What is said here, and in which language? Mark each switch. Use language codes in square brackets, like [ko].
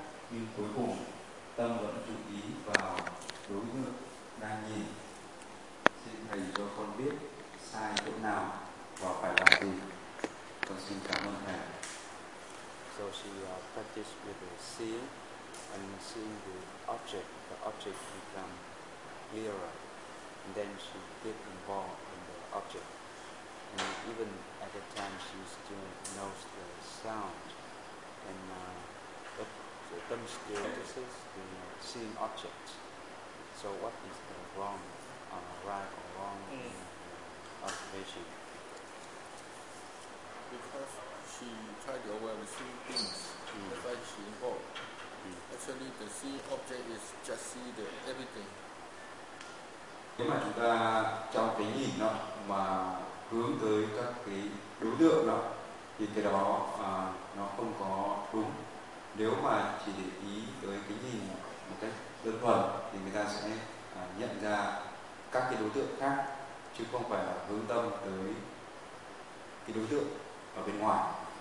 [vi] nhưng cuối cùng tâm vẫn chú ý vào đối tượng đang nhìn. Xin thầy cho con biết sai chỗ nào và phải làm gì. Con xin cảm ơn thầy. [en] So she practice with the seeing and seeing the object become clearer, and then she get involved in the object. And even at the time she still knows the sound, and the tâm still notices the seeing object. So what is the wrong, right or wrong observation? Because she tried to aware of the seeing things, that's why she involved. Actually, the seeing object is just see the everything. [vi] Nếu mà chúng ta trong cái nhìn đó mà hướng tới các cái đối tượng đó thì cái đó nó không có đúng. Nếu mà chỉ để ý tới cái nhìn một cách đơn thuần thì người ta sẽ nhận ra các cái đối tượng khác, chứ không phải là hướng tâm tới cái đối tượng ở bên ngoài.